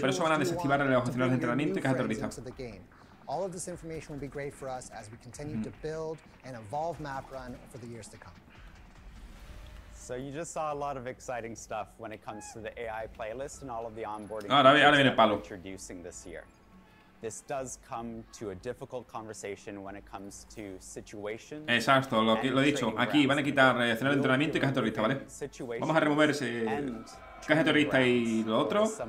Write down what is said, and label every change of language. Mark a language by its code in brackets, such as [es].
[es] Por eso van a desactivar los escenarios de entrenamiento y caja terrorista. [en] All of this information will be great for us as we continue to build and evolve Map Run for the years to come. So you just saw a lot of exciting stuff when it comes to the AI playlist and all of the onboarding. [es] Ahora viene el palo. [en] Introducing this year. This does come to a difficult conversation when it comes to situations. [es] Exacto, lo he dicho. Aquí van a quitar escenario de entrenamiento y caja terrorista, ¿vale? Vamos a remover ese caja terrorista y lo otro.